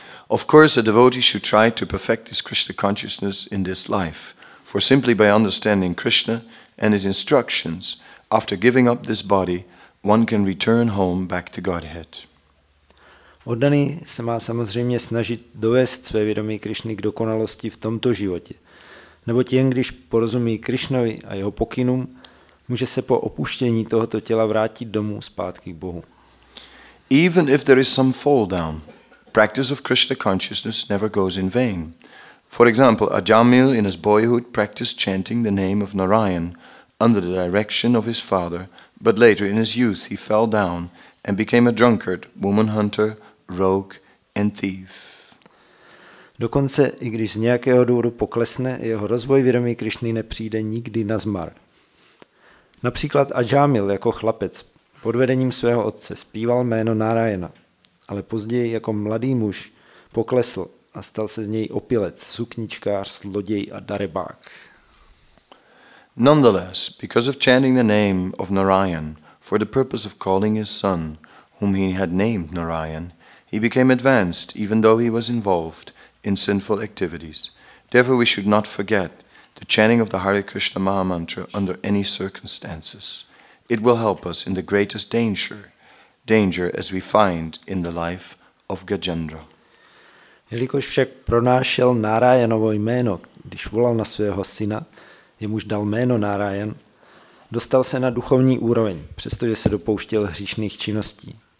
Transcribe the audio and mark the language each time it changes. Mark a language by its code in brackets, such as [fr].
[en] Of course, a devotee should try to perfect his Krishna consciousness in this life, for simply by understanding Krishna and his instructions, after giving up this body, one can return home back to Godhead. [cs] Oddaný se má samozřejmě snažit dovést své vědomí Krišny k dokonalosti v tomto životě. Neboť jen když porozumí Krišnovi a jeho pokynům, může se po opuštění tohoto těla vrátit domů zpátky k Bohu. [en] Even if there is some fall down, practice of Krishna consciousness never goes in vain. For example, Ajamil in his boyhood practiced chanting the name of Narayan under the direction of his father, but later in his youth he fell down and became a drunkard, woman hunter, rogue and thief. [cs] Dokonce i když z nějakého důvodu poklesne, jeho rozvoj vědomí Krišny nepřijde nikdy na zmar. Například Ajamil jako chlapec pod vedením svého otce zpíval jméno Narayana, ale později jako mladý muž poklesl a stal se z něj opilec, sukničkář, zloděj a darebák. [en] Nonetheless, because of chanting the name of Narayan for the purpose of calling his son, whom he had named Narayan, he became advanced even though he was involved in sinful activities. Therefore we should not forget the chanting of the Hare Krishna Maha Mantra under any circumstances. It will help us in the greatest danger as we find in the life of Gajendra. [cs] Jelikož však pronášel Narayanovo jméno, když volal na svého syna, jemuž dal jméno Narayan, dostal se na duchovní úroveň, přestože se dopouštěl hříšných činností.